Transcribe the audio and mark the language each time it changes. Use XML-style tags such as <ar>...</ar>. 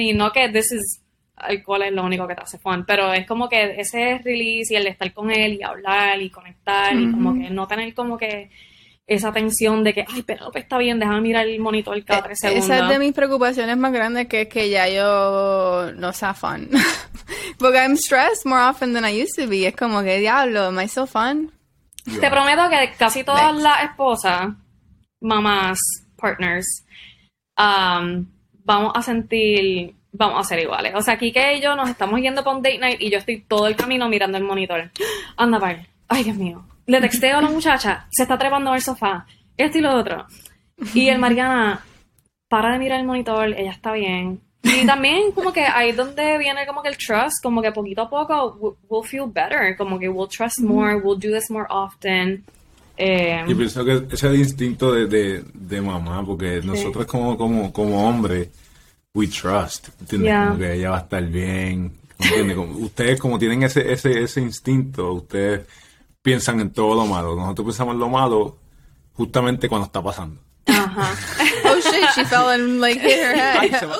<es>Y no que</es> <en>this is alcohol</en> <es>es lo único que te hace fun, pero es como que ese release y el estar con él y hablar y conectar y como que no tener como que esa tensión de que, ay, Penélope está bien, déjame mirar el monitor cada 3 segundos. Esa es de mis preocupaciones más grandes, que es que ya yo no sea fun. Porque</es> <en>I'm stressed more often than I used to be.</en> <es>Es como que, diablo,</es> <en>am I so fun?</en> <es>Te prometo que casi todas las esposas, mamás, partners, vamos a ser iguales. O sea, Kike y yo nos estamos yendo para un date night y yo estoy todo el camino mirando el monitor. Anda, pal. Ay, Dios mío. Le texteo a la muchacha, se está trepando al sofá, esto y lo otro. Y el Mariana, para de mirar el monitor, ella está bien. Y también como que ahí donde viene como que el trust, como que poquito a poco</es> <en>we'll feel better,</en> <es>como que</es> <en>we'll trust more, we'll do this more often.</en> <es>Yo pienso que ese instinto de mamá, porque nosotros como hombre,</es> <en>we trust,</en> <es>¿entiendes?</es> <en>Yeah.</en> <es>Como que ella va a estar bien, ¿entiendes? Ustedes como tienen ese instinto, ustedes... piensan en todo lo malo. Nosotros pensamos en lo malo justamente cuando está pasando. Ajá.</es> <en>Oh shit, she fell and like hit her head.</en>